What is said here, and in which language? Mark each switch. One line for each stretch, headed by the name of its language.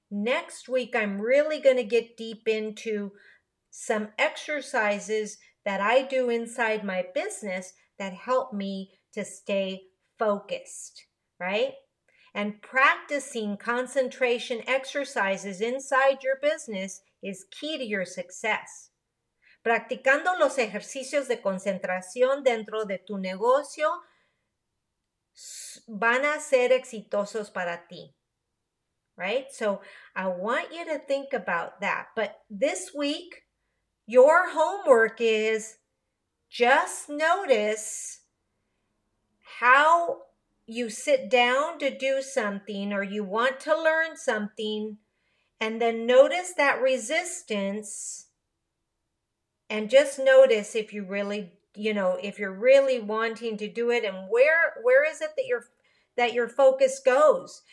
English: Next week, I'm really going to get deep into some exercises that I do inside my business that help me to stay focused, right? And practicing concentration exercises inside your business is key to your success.
Spanish: Practicando los ejercicios de concentración dentro de tu negocio van a ser exitosos para ti.
English: Right? So I want you to think about that. But this week, Your homework is just notice how you sit down to do something or you want to learn something, and then notice that resistance and just notice if you really, you know, if you're really wanting to do it, and where is it that your focus goes?